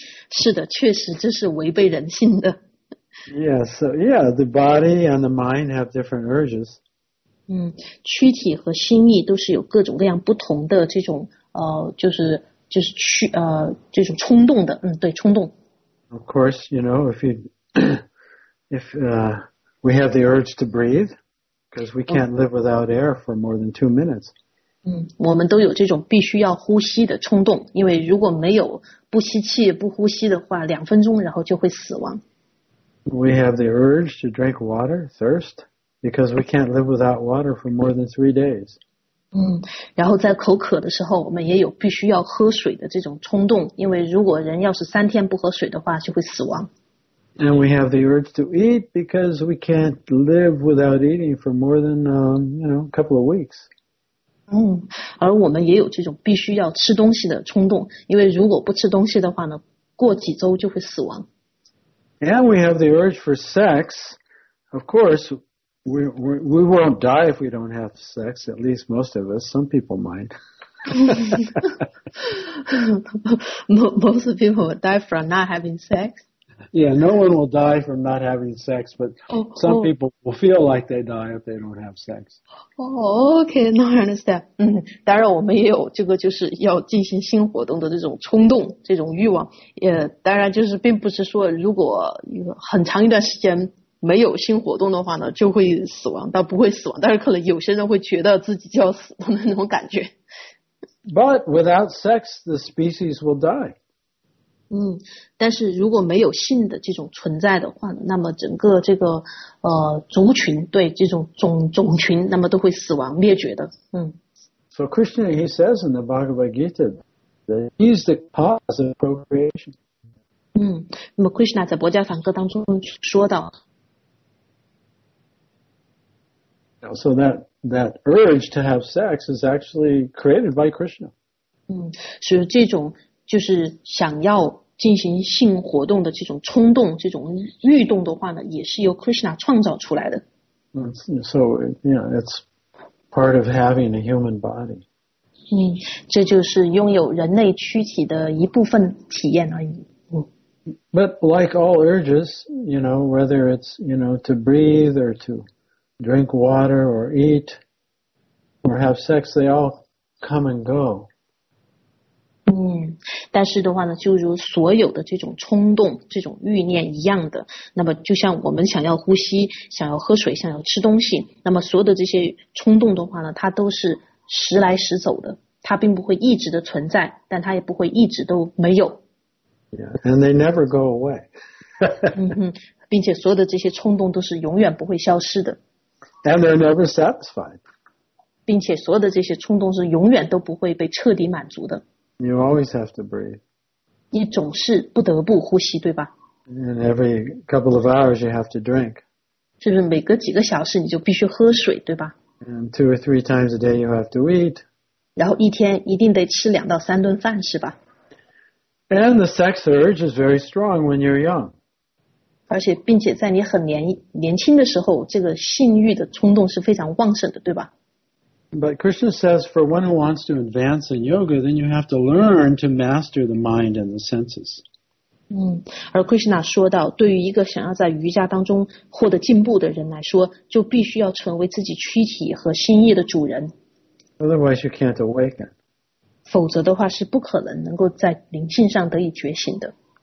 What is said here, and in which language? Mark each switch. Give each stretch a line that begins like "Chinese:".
Chinese: 是的，确实这是违背人性的。
English: The body and the mind have different urges.
Chinese: 躯体和心意都是有各种各样不同的这种这种冲动的。对，冲动。
English: Of course, we have the urge to breathe, because we can't live without air for more than 2 minutes.
Chinese: 我们都有这种必须要呼吸的冲动，因为如果没有不吸气不呼吸的话，两分钟然后就会死亡。
English: We have the urge to drink water, thirst, because we can't live without water for more than 3 days.
Chinese: 然后在口渴的时候，我们也有必须要喝水的这种冲动，因为如果人要是3天不喝水的话，就会死亡。
English: And we have the urge to eat because we can't live without eating for more than, a couple of weeks.
Chinese: 而我们也有这种必须要吃东西的冲动，因为如果不吃东西的话呢，过几周就会死亡。
English: And we have the urge for sex. Of course, we won't die if we don't have sex, at least most of us. Some people might. Most of people would die from not having sex. Yeah, no one will die from not having sex, but some people will feel like they die if they don't have sex. Okay, no, I understand.
Chinese: 当然我们也有这个就是要进行性活动的这种冲动，这种欲望。当然就是并不是说如果很长一段时间没有性活动的话呢，就会死亡，但不会死亡，但是可能有些人会觉得自己就要死的那种感觉。
English: But without sex, the species will die.
Chinese: 但是如果没有性的这种存在的话，那么整个这个族群，对，这种种群，那么都会死亡灭绝的。
English: So Krishna, he says in the Bhagavad Gita that he's the cause of procreation.
Chinese: 那么 Krishna 在《薄伽梵歌》当中说到。
English: So that urge to have sex is actually created by Krishna.
Chinese: 所以这种就是想要进行性活动的这种冲动，这种欲动的话呢，也是由 Krishna 创造出来的。
English: So, yeah, it's part of having a human body.
Chinese: 这就是拥有人类躯体的一部分体验而已。
English: But like all urges, you know, whether it's, you know, to breathe or to drink water or eat or have sex, they all come and go.
Chinese: 但是的话呢，就如所有的这种冲动、这种欲念一样的，那么就像我们想要呼吸、想要喝水、想要吃东西，那么所有的这些冲动的话呢，它都是时来时走的，它并不会一直的存在，但它也不会一直都没有。
English: Yeah, and they never go away.
Chinese: 并且所有的这些冲动都是永远不会消失的。
English: And they're never satisfied.
Chinese: 并且所有的这些冲动是永远都不会被彻底满足的。
English: You always have to breathe.
Chinese: 你总是不得不呼吸，对吧？
English: And every couple of hours you have to drink.
Chinese: 是不是每隔几个小时你就必须喝水，对吧？
English: And two or three times a day you have to eat.
Chinese: 然后一天一定得吃两到三顿饭，是吧？
English: And the sex urge is very strong when you're young.
Chinese: 而且并且在你很年轻的时候，这个性欲的冲动是非常旺盛的，对吧？
English: But Krishna says, for one who wants to advance in yoga, then you have to learn to master the mind and the senses.
Chinese: 而 Krishna 说到，对于一个想要在瑜伽当中获得进步的人来说，就必须要成为自己躯体和心意的主人。
English: Otherwise, you can't awaken.
Chinese: 否则的话是不可能能够在灵性上得以觉醒的。